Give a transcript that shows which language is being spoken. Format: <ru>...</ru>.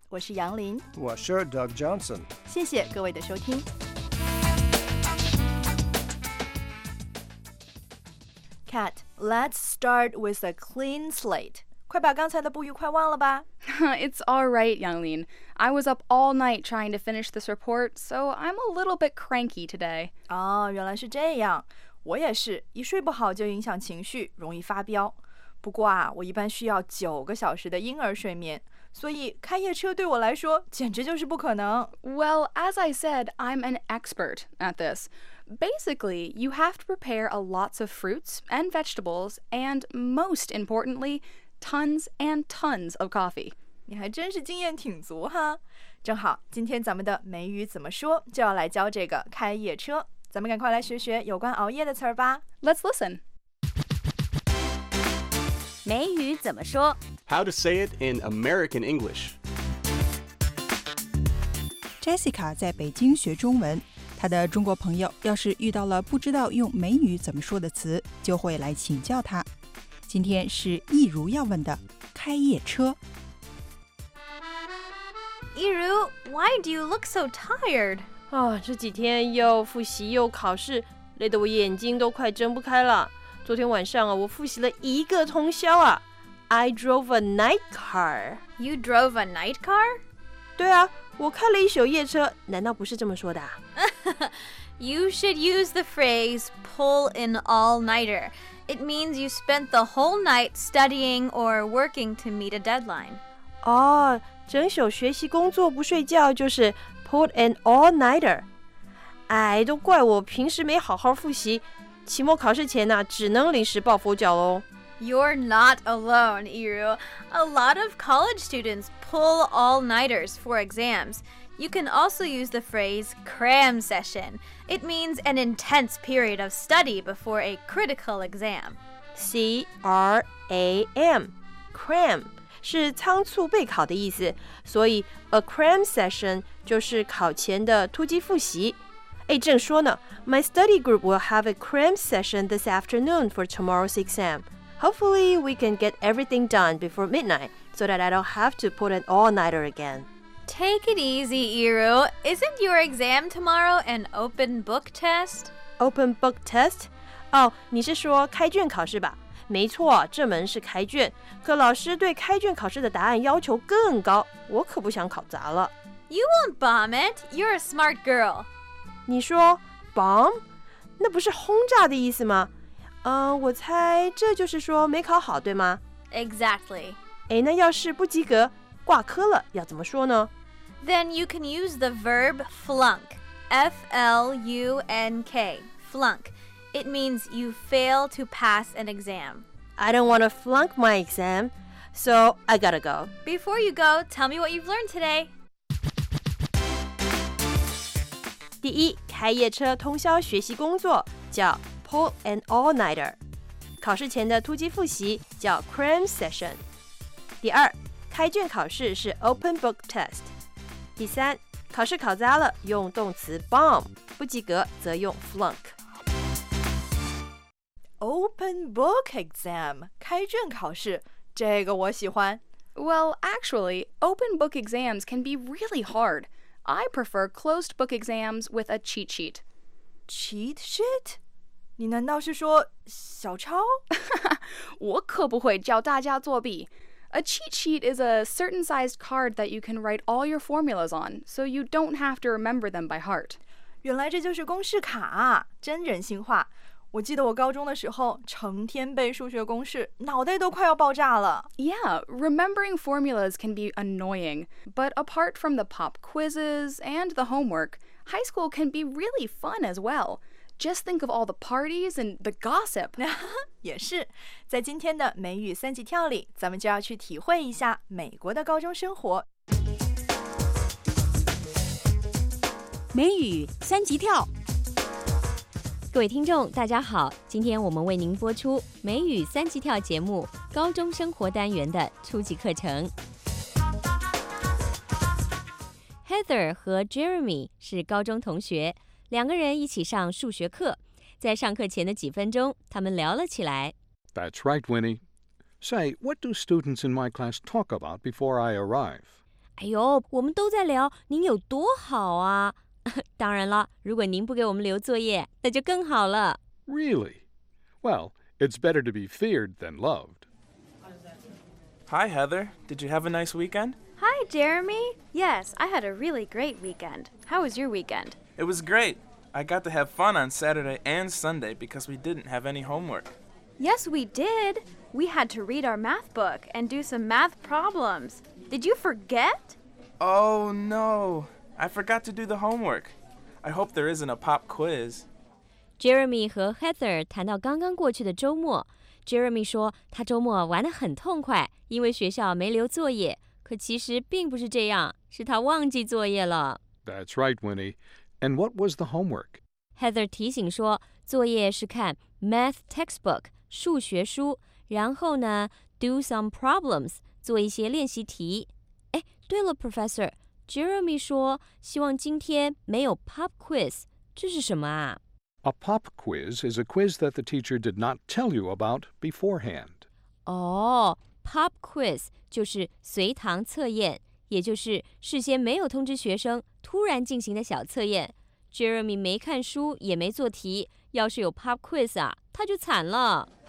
<zh>我是杨林，我是 Doug Johnson，谢谢各位的收听。</zh> <en>Cat, let's start with a clean slate.</en> <zh>快把刚才的不愉快忘了吧。</zh> <en>It's all right, Yang Lin. I was up all night trying to finish this report, so I'm a little bit cranky today.</en> <zh>哦，原来是这样。我也是，一睡不好就影响情绪，容易发飙。不过啊，我一般需要9个小时的婴儿睡眠，所以开夜车对我来说简直就是不可能。</zh> <en>Well, as I said, I'm an expert at this. Basically, you have to prepare a lots of fruits and vegetables, and most importantly, tons and tons of coffee.</en> <zh>你还真是经验挺足哈。正好，今天咱们的美语怎么说就要来教这个开夜车，咱们赶快来学学有关熬夜的词儿吧。</zh> <en>Let's listen.</en> <zh>美语怎么说?</zh> <en>How to say it in American English.</en> <zh>Jessica 在北京学中文，她的中国朋友要是遇到了不知道用美语怎么说的词，就会来请教她。今天是一如要问的开夜车。</zh> <en>一如, why do you look so tired?</en> <zh>啊，这几天又复习又考试，累得我眼睛都快睁不开了。昨天晚上啊，我复习了一个通宵啊。</zh> <en>I drove a night car. You drove a night car?</en> <zh>对啊，我开了一宿夜车，难道不是这么说的啊？</zh> <en>You should use the phrase pull an all-nighter. It means you spent the whole night studying or working to meet a deadline.</en> <zh>哦，整宿学习工作不睡觉就是</zh> <en>pull an all-nighter.</en> <zh>哎，都怪我平时没好好复习。期末考试前呢，只能临时抱佛脚喽。</zh> <en>You're not alone, Iru. A lot of college students pull all-nighters for exams. You can also use the phrase cram session. It means an intense period of study before a critical exam.</en> <zh>C-R-A-M, cram, 是仓促备考的意思。所以</zh> <en>a cram session</en> <zh>就是考前的突击复习。哎，正说呢</zh> <en>，My study group will have a cram session this afternoon for tomorrow's exam. Hopefully, we can get everything done before midnight so that I don't have to put an all-nighter again. Take it easy, Iru. Isn't your exam tomorrow an open book test? Open book test?</en> <zh>哦，你是说开卷考试吧？没错，这门是开卷，可老师对开卷考试的答案要求更高，我可不想考砸了。</zh> <en>You won't bomb it. You're a smart girl.</en> <zh>你说 bomb? 那不是轰炸的意思吗？我猜这就是说没考好，对吗？</zh> <en>Exactly. 诶，那要是不及格，挂科了，要怎么说呢？ Then you can use the verb flunk. F-L-U-N-K. Flunk. It means you fail to pass an exam. I don't want to flunk my exam, so I gotta go. Before you go, tell me what you've learned today.</en> <zh>第一，开夜车通宵学习工作叫</zh> <en>pull an all-nighter.</en> <zh>考试前的突击复习叫 cram session. 第二，开卷考试是</zh> <en>open book test.</en> <zh>第三，考试考砸了用动词 bomb, 不及格则用 flunk.</zh> <en>Open book exam,</en> <zh>开卷考试，这个我喜欢。</zh> <en>Well, actually, open book exams can be really hard. I prefer closed book exams with a cheat sheet. Cheat sheet?</en> <zh>你难道是说小抄？我可不会教大家作弊。</zh> <en>A cheat sheet is a certain sized card that you can write all your formulas on, so you don't have to remember them by heart.</en> <zh>原来这就是公式卡，真人性化。我记得我高中的时候成天背数学公式，脑袋都快要爆炸了。</zh> <en>Yeah, remembering formulas can be annoying. But apart from the pop quizzes and the homework, high school can be really fun as well. Just think of all the parties and the gossip.</en> <zh>也是，在今天的美语三级跳里，咱们就要去体会一下美国的高中生活。美语三级跳。各位听众大家好，今天我们为您播出美语三级跳节目高中生活单元的初级课程。 Heather 和 Jeremy 是高中同学，两个人一起上数学课，在上课前的几分钟他们聊了起来。</zh> <en>That's right, Winnie. Say, what do students in my class talk about before I arrive?</en> <zh>哎呦，我们都在聊您有多好啊。当然了，如果您不给我们留作业，那就更好了。</zh> <en>Really? Well, it's better to be feared than loved. Hi, Heather. Did you have a nice weekend? Hi, Jeremy. Yes, I had a really great weekend. How was your weekend? It was great. I got to have fun on Saturday and Sunday because we didn't have any homework. Yes, we did. We had to read our math book and do some math problems. Did you forget? Oh, no. I forgot to do the homework. I hope there isn't a pop quiz.</en> <zh>Jeremy 和 Heather 谈到刚刚过去的周末。Jeremy 说他周末玩得很痛快，因为学校没留作业。可其实并不是这样，是他忘记作业了。</zh> <en>That's right, Winnie. And what was the homework?</en> <zh>Heather 提醒说，作业是看</zh> <en>math textbook,</en> <zh>数学书，然后呢</zh> <en>do some problems,</en> <zh>做一些练习题。哎，对了 ,Professor,Jeremy 说希望今天没有 pop quiz, 这是什么啊?</zh> <en>A pop quiz is a quiz that the teacher did not tell you about beforehand.</en> <zh>pop quiz 就是随堂测验，也就是事先没有通知学生突然进行的小测验。 Jeremy 没看书也没做题，要是有 pop quiz 啊，他就惨了。</zh>